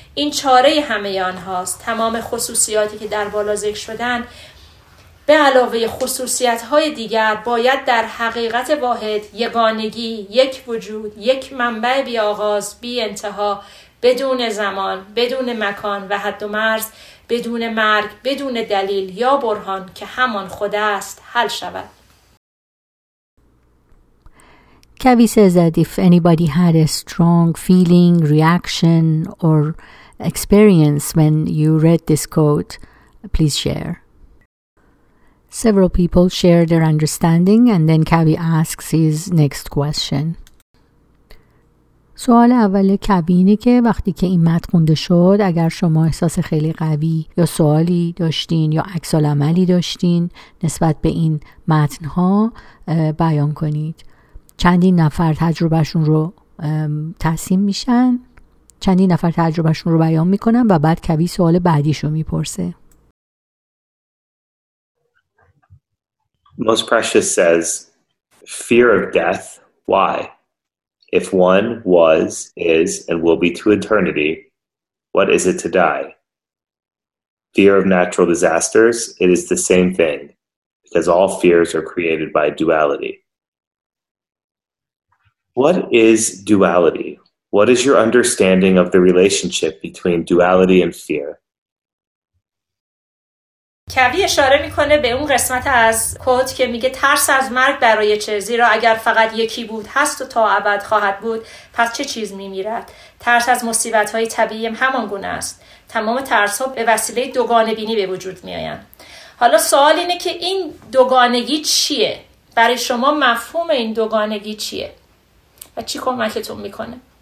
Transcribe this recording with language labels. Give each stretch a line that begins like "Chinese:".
Persian: این چاره همه آنهاست. تمام خصوصیاتی که در بالا ذکر شدن به علاوه خصوصیت های دیگر باید در حقیقت واحد، یگانگی، یک وجود، یک منبع بی آغاز، بی انتها، بدون زمان، بدون مکان و حد و مرز، بدون مرگ، بدون دلیل یا برهان که همان خود است، حل شود.
English: Kavi says that if anybody had a strong feeling, reaction or experience when you read this quote, please share. Several people share their understanding and then Kavi asks his next question.
Persian: سوال اول کبی اینه که وقتی که این متن خونده شد، اگر شما احساس خیلی قوی یا سوالی داشتین یا عکس العملی داشتین نسبت به این متن‌ها بیان کنید. چندین نفر تجربهشون رو تقسیم میشن، چندین نفر تجربهشون رو بیان میکنن و بعد کبی سوال بعدیشو میپرسه.
English: Most precious says, fear of death, why? If one was, is, and will be to eternity, what is it to die? Fear of natural disasters, it is the same thing, because all fears are created by duality. What is duality? What is your understanding of the relationship between duality and fear?
Persian: کبی اشاره میکنه به اون قسمت از کوت که میگه ترس از مرگ برای چه؟ زیرا اگر فقط یکی بود، هست و تا ابد خواهد بود، پس چه چیز میمیرد؟ ترس از مصیبت‌های طبیعی همان گونه است. تمام ترس‌ها به وسیله دوگانه بینی به وجود میآیند. حالا سوال اینه که این دوگانگی چیه؟ برای شما مفهوم این دوگانگی چیه؟ و چی کمکتون میکنه؟